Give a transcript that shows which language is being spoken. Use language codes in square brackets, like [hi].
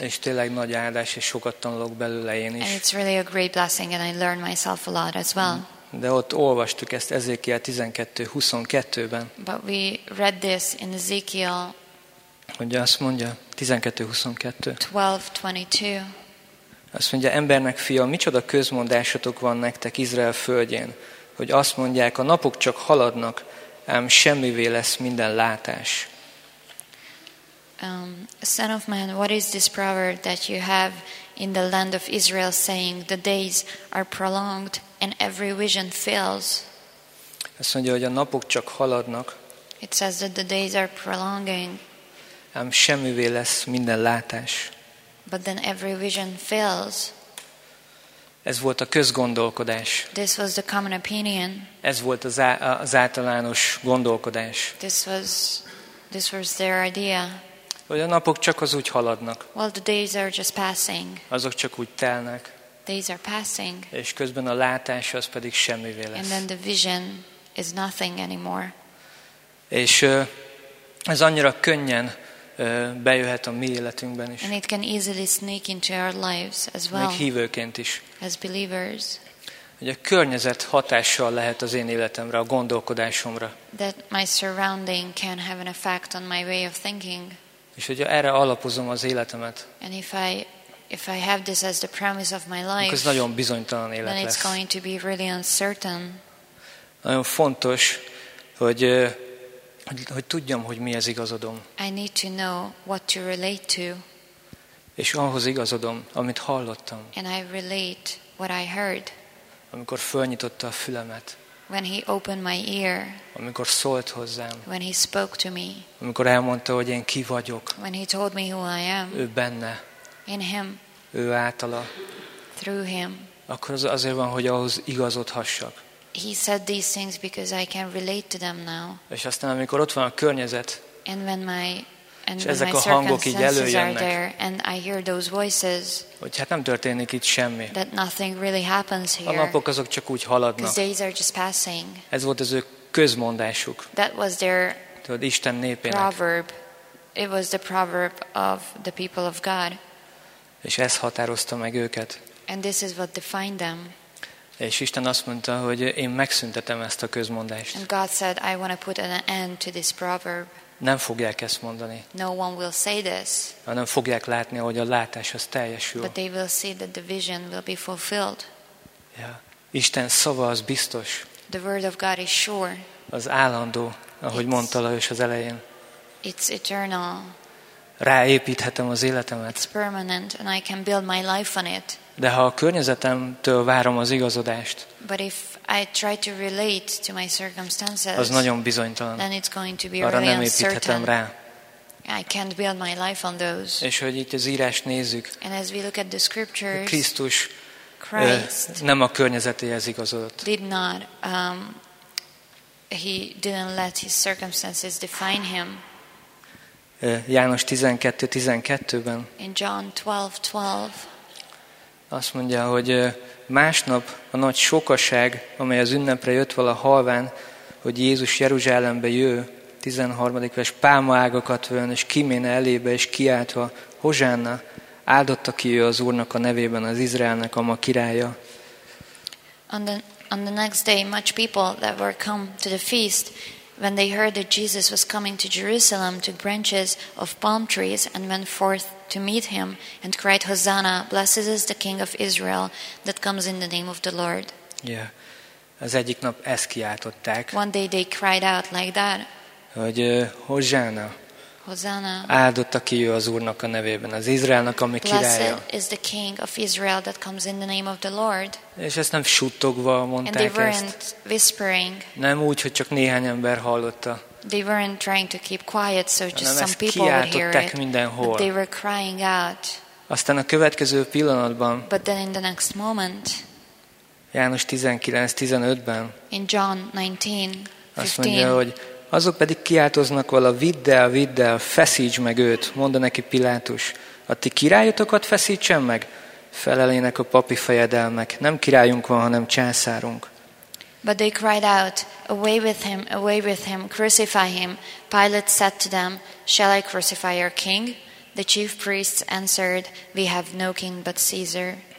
[hu] És tényleg nagy áldás, és sokat tanulok belőle én is. [en] And it's really a great blessing, and I learn myself a lot as well. [hu] De ott olvastuk ezt Ezékiel 12:22-ben. [en] But we read this in Ezekiel. [hu] Hogy azt mondja 12:22. 12:22. Azt mondja, embernek fia, micsoda közmondásotok van nektek Izrael földjén, hogy azt mondják, a napok csak haladnak, ám semmivé lesz minden látás. [en] Son of man, what is this proverb that you have in the land of Israel saying, the days are prolonged and every vision fails? [hu] Azt mondja, hogy a napok csak haladnak. [en] It says that the days are prolonging. [hu] Ám semmivé lesz minden látás. [en] But then every vision fails. [hu] Ez volt a közgondolkodás. [en] This was the common opinion. [hu] Ez volt az általános gondolkodás. [en] This was their idea. [hu] Hogy a napok csak az úgy haladnak. [en] Well, the days are just passing. [hu] Azok csak úgy telnek. [en] These are passing. [hu] És közben a látás az pedig semmivé lesz. [en] And then the vision is nothing anymore. [hu] És ez annyira könnyen bejöhet a mi életünkben is. [en] And it can easily sneak into our lives as well. [hu] Még hívőként is. [en] As believers. [hu] Hogy a környezet hatással lehet az én életemre, a gondolkodásomra. [en] That my surrounding can have an effect on my way of thinking. [hu] És hogyha erre alapozom az életemet. [en] And if I have this as the premise of my life. [hu] Ez nagyon bizonytalan élet lesz. [en] Then it's going to be really uncertain. [hu] Nagyon fontos, hogy tudjam, hogy mi az igazodom. [en] I need to know what to relate to. [hu] És ahhoz igazodom, amit hallottam. [en] And I relate what I heard. [hu] Amikor fölnyitotta a fülemet. [en] When he opened my ear. [hu] Amikor szólt hozzám. [en] When he spoke to me. [hu] Amikor elmondta, hogy én ki vagyok. [en] When he told me who I am. [hu] Ő benne. [en] In him. [hu] Ő általa. [en] Through him. [hu] Akkor az azért van, hogy ahhoz igazodhassak. [en] He said these things because I can relate to them now. [hu] És aztán, amikor ott van a környezet. [en] And when my [hu] és ezek a hangok így előjönnek. [en] And I hear those voices. [hu] Hogy hát nem történik itt semmi. [en] That nothing really happens here. [hu] A napok azok csak úgy haladnak. [en] Because days are just passing. [hu] Ez volt az ő közmondásuk. [en] That was their [hu] Isten népének. [en] Proverb. It was the proverb of the people of God. [hu] És ez határozta meg őket. [en] And this is what defined them. [hu] És Isten azt mondta, hogy én megszüntetem ezt a közmondást. [en] And God said, I want to put an end to this proverb. [hu] Nem fogják ezt mondani. [en] No one will say this. [hu] Hanem fogják látni, hogy a látás az teljesül. [en] But they will see that the vision will be fulfilled. Yeah. [hu] Isten szava az biztos. [en] The word of God is sure. [hu] Az állandó, ahogy mondta Lajos az elején. [en] It's eternal. [hu] Ráépíthetem az életemet. [en] It's permanent and I can build my life on it. [hu] De ha a környezetemtől várom az igazodást, [en] but if I try to relate to my circumstances, [hu] az nagyon bizonytalan. [en] Then it's going to be [hu] arra [en] really [hu] nem építhetem rá. [en] I can't build my life on those. [hu] És hogy itt az írást nézzük, [en] and as we look at the scriptures, [hu] Krisztus [en] Christ [hu] nem a környezetéhez igazodott. [en] Did not, he didn't let his circumstances define him. [hu] János 12:12-ben. [en] In John 12:12. [hu] Azt mondja, hogy másnap a nagy sokaság, amely az ünnepre jött vala halván, hogy Jézus Jeruzsálembe jő, 13. vers pálmaágakat vön, és kiméne elébe, és kiáltva, Hozsánna, áldotta ki ő az Úrnak a nevében az Izraelnek, ama királya. [en] On the next day, much people that were come to the feast, when they heard that Jesus was coming to Jerusalem, took branches of palm trees and went forth to meet him and cried, Hosanna, blessed is the King of Israel that comes in the name of the Lord. Yeah. [hu] Az egyik nap ezt kiáltották. [en] One day they cried out like that. [hu] Hogy Hosanna. [en] Hosanna. [hu] Áldotta ki ő az Úrnak a nevében, az Izraelnak, ami [en] blessed [hu] királya. [en] Blessed is the King of Israel that comes in the name of the Lord. [hu] És ezt nem suttogva mondták ezt. [en] And they weren't whispering. [hu] Nem úgy, hogy csak néhány ember hallotta. [en] They weren't trying to keep quiet, so just [hu] hanem [en] some people would hear it. [hu] Mindenhol. [en] But they were crying out. [hu] Aztán a következő pillanatban. [en] But then in the next moment. [hu] János 19:15-ben. [en] In John 19:15. [hu] Azt mondja, hogy azok pedig kiáltoznak vala, vidd el, feszíts meg őt, mondta neki Pilátus. A ti királyotokat feszítsen meg? Felelének a papi fejedelmek. Nem királyunk van, hanem császárunk. [en] But they cried out, away with him, crucify him. Pilate said to them, shall I crucify your king? The chief priests answered, we have no king but Caesar.